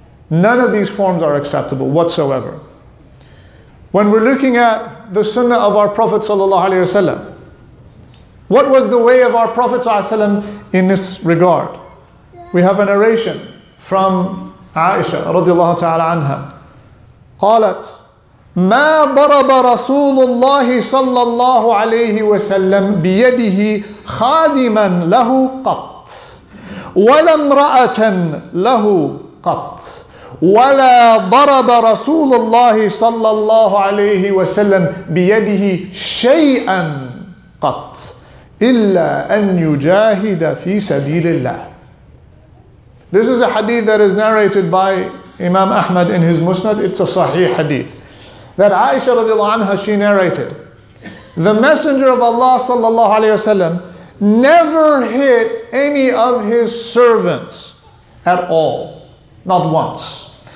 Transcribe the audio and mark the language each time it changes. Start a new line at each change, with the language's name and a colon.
English: None of these forms are acceptable whatsoever. When we're looking at the sunnah of our Prophet ﷺ, what was the way of our Prophet ﷺ in this regard? We have a narration from Aisha radiallahu ta'ala anha.
Arabic: Qalat, مَا ضَرَبَ رَسُولُ اللَّهِ صَلَّى اللَّهُ عَلَيْهِ وَسَلَّمْ بِيَدِهِ خَادِمًا لَهُ قَطْ وَلَمْ رَأَةً لَهُ قَطْ ولا ضرب رسول الله صلى الله عليه وسلم بيده شيئا قط الا ان يجاهد في سبيل الله.
English: This is a hadith that is narrated by Imam Ahmad in his Musnad. It's a sahih hadith that Aisha radiallahu anha, she narrated, the messenger of Allah
Arabic: صلى الله عليه وسلم
English: never hit any of his servants at all, not once.